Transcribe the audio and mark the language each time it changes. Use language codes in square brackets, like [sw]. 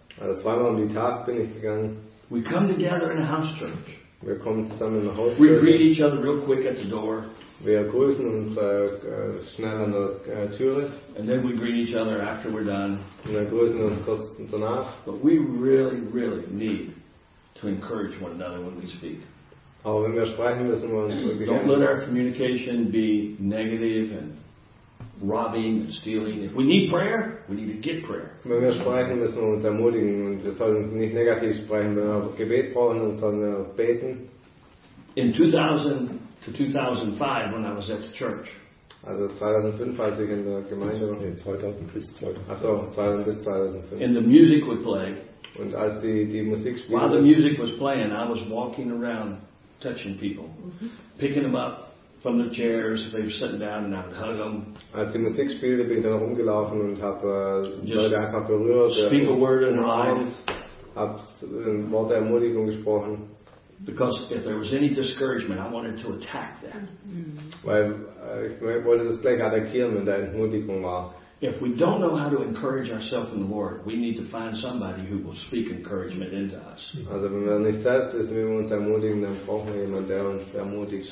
[de] Also zweimal um die Tag bin ich gegangen. [en] We come together in a house church. [de] Wir kommen zusammen in der Hauskirche. [en] We greet each other real quick at the door. [de] Wir grüßen uns schnell an der Türe. [en] And then we greet each other after we're done. [de] Und wir grüßen uns kurz danach. [en] But we really, really need to encourage one another when we speak. [de] Aber wenn wir sprechen, müssen wir uns wirklich. [en] Don't let our communication be negative and robbing and stealing. If we need prayer, we need to get prayer. [de] Wenn wir sprechen, müssen wir uns ermutigen und wir sollen nicht negativ sprechen. Wenn wir Gebet brauchen, dann sollen wir beten. [en] In 2000 to 2005, when I was at the church. [de] Also 2005, als ich in der Gemeinde war. 2005. [en] And the music would play. [de] Und als die Musik spielte. [en] While the music was playing, I was walking around, touching people, picking them up from the chairs, they were sitting down, and I would hug them. [de] Als die Musik spielte, bin ich dann rumgelaufen und habe Leute einfach berührt. [en] Speak a word in their eyes. [de] Hab ein Wort der Ermutigung gesprochen. [en] Because if there was any discouragement, I wanted to attack that. [de] Weil ich wollte das gleich attackieren, wenn da Entmutigung war. [en] If we don't know how to encourage ourselves in the Lord, we need to find somebody who will speak encouragement into us. [de] Also, wenn wir nicht selbst wissen, wie wir uns ermutigen, dann brauchen wir jemanden, der uns ermutigt.